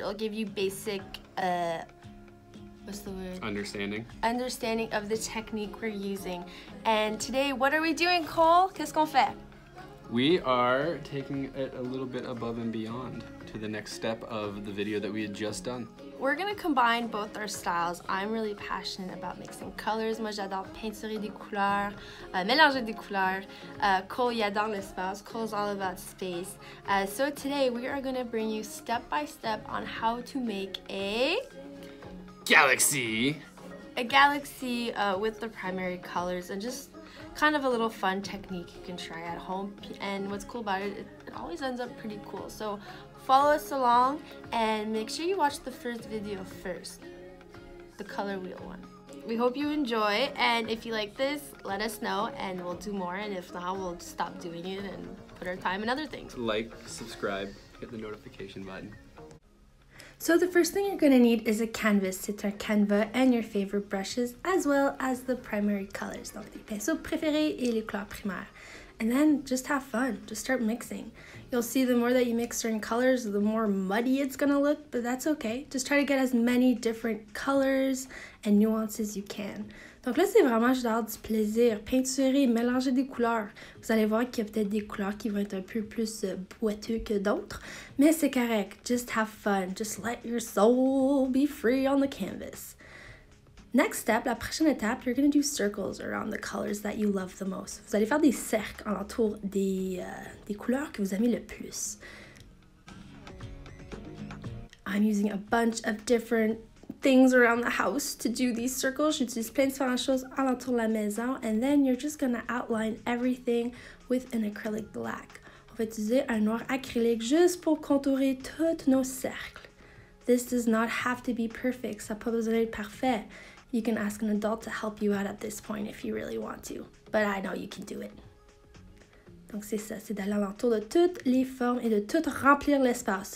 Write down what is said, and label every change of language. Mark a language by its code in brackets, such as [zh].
[en] It'll give you basic, what's the word? Understanding. Understanding of the technique we're using. And today, what are we doing, Cole? [fr] Qu'est-ce qu'on fait? [en] We are taking it a little bit above and beyond to the next step of the video that we had just done. We're gonna combine both our styles. I'm really passionate about mixing colors. [fr] Moi, j'adore peinture des couleurs, mélanger des couleurs. Cole, il adore l'espace. [en] Cole's all about space. So today, we are gonna bring you step by step on how to make a galaxy. A galaxy with the primary colors and just kind of a little fun technique you can try at home. And what's cool about it, it always ends up pretty cool. So follow us along and make sure you watch the first video first, the color wheel one. We hope you enjoy. And if you like this, let us know and we'll do more. And if not, we'll stop doing it and put our time in other things. Like, subscribe, hit the notification button. So the first thing you're gonna need is a canvas, [fr] c'est un canva, [en] and your favorite brushes, as well as the primary colors, [fr] donc les pinceaux préférés et les couleurs primaires. [en] And then just have fun, just start mixing. You'll see the more that you mix certain colors, the more muddy it's gonna look, but that's okay. Just try to get as many different colors and nuances you can. [fr] Donc là, c'est vraiment juste d'avoir du plaisir. Peinturer, mélanger des couleurs. Vous allez voir qu'il y a peut-être des couleurs qui vont être un peu plus boiteux que d'autres. Mais c'est correct. [en] Just have fun. Just let your soul be free on the canvas. Next step, [fr] la prochaine étape, [en] you're going to do circles around the colors that you love the most. [fr] Vous allez faire des cercles alentour des couleurs que vous aimez le plus. [en] I'm using a bunch of different things around the house to do these circles. [fr] J'utilise plein de différentes choses alentour de la maison, [en] and then you're just gonna outline everything with an acrylic black. [fr] On va utiliser un noir acrylique juste pour contourer tous nos cercles. [en] This does not have to be perfect. [fr] Ça n'a pas besoin d'être parfait. [en] You can ask an adult to help you out at this point if you really want to, but I know you can do it. [fr] Donc c'est ça, c'est d'aller alentour de toutes les formes et de tout remplir l'espace.